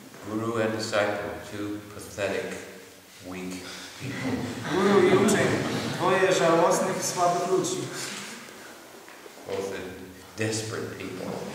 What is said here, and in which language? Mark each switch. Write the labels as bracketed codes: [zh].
[en] Guru and disciple, two pathetic, weak people. [pl] Guru i uczeń, dwoje żałosnych, słabych ludzi. [en] Both are desperate people.